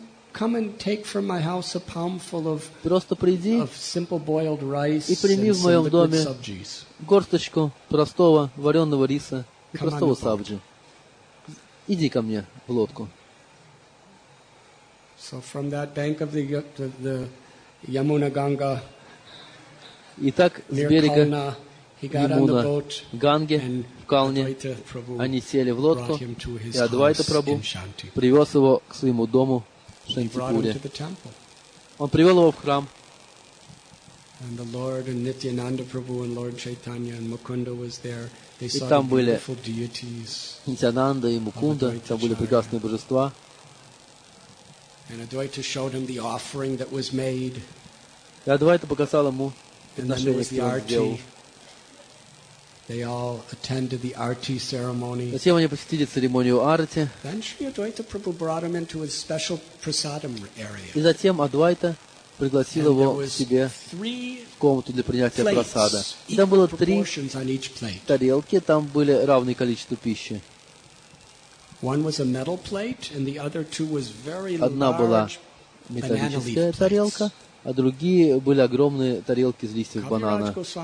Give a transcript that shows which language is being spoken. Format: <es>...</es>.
<en>Come and take from my house a palmful of</en> <ru>просто приди</ru> <en>of simple boiled rice</en> <ru>и прими в моем доме горсточку простого вареного риса и простого Сабджи. Иди ко мне в лодку. So from that bank of the Yamuna Ganga. Итак, с берега Ямуна, Ганги, в Калне, они сели в лодку, и Адвайта Прабху привез его к своему дому в Шантипуре. Он привел его в храм. И там были Нитьянанда и Мукунда, там были прекрасные божества. И Адвайта показал ему отношение, которое сделал.</ru> <en>They all attended the arti ceremony.</en> <ru>Затем они посетили церемонию арти.</ru> <en>Then Sri Advaita Prabhu brought him into his special prasadam area.</en> <ru>И затем Адвайта пригласил его к себе в комнату для принятия просада. Там было три тарелки, там были равные количество пищи.</ru> <en>One was a metal plate, and the other two was very large.</en> <ru>Одна была металлическая тарелка. А другие были огромные тарелки из листьев банана.</ru>